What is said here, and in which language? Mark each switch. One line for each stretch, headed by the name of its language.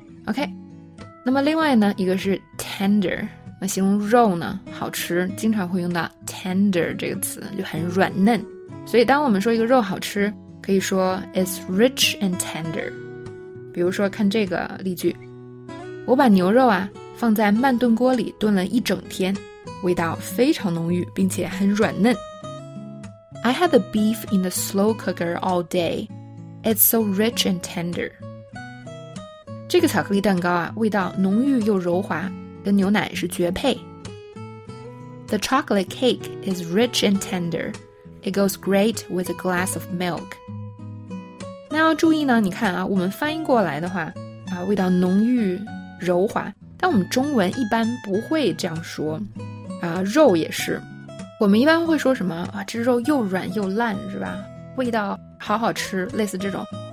Chinese: OK， 那么另外呢，一个是 tender， 那形容肉呢好吃，经常会用到 tender 这个词，就很软嫩。所以当我们说一个肉好吃，可以说
English: it's rich and tender。
Chinese: 比如说看这个例句，我把牛肉啊放在慢炖锅里炖了一整天，味道非常浓郁，并且很软嫩。
English: I had the beef in the slow cooker all day. It's so rich and tender.
Chinese: 这个巧克力蛋糕啊，味道浓郁又柔滑，跟牛奶是绝配。
English: The chocolate cake is rich and tender. It goes great with a glass of milk.
Chinese: 那要注意呢，你看啊，我们翻译过来的话，啊，味道浓郁柔滑，但我们中文一般不会这样说，啊，肉也是。我们一般会说什么啊？这肉又软又烂，是吧？味道好好吃，类似这种。